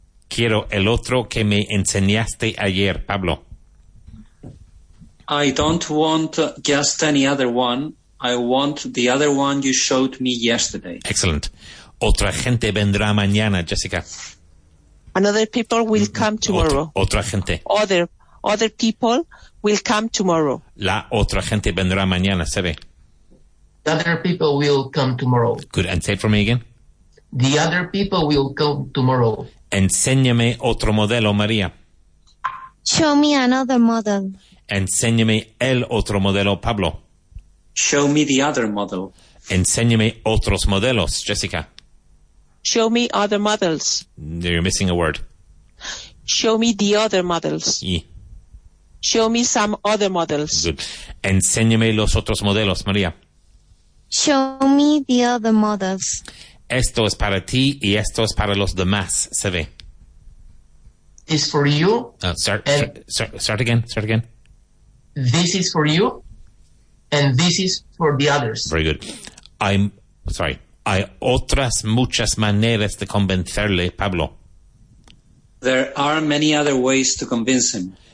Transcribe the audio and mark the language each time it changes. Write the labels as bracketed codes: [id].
[es] Quiero el otro que me enseñaste ayer, Pablo. [en] I don't want just any other one. I want the other one you showed me yesterday. Excellent. [es] Otra gente vendrá mañana, Jessica. [en] Another people will come tomorrow. [es] Otra gente. [en] Other people will come tomorrow. [es] La otra gente vendrá mañana, se ve. [en] Other people will come tomorrow. Good. And say it for me again. The other people will come tomorrow. [es] Enséñame otro modelo, María. [en] Show me another model. [es] Enséñame el otro modelo, Pablo. [en] Show me the other model. [es] Enséñame otros modelos, Jessica. [en] Show me other models. You're missing a word. Show me the other models. Yeah. Show me some other models. Good. [es] Enséñame los otros modelos, María. [en] Show me the other models. [es] Esto es para ti y esto es para los demás, se ve. [en] It's for you. Start again. This is for you and this is for the others. Very good. [es] Hay otras muchas maneras de convencerle, Pablo. [en] There are many other ways to convince him.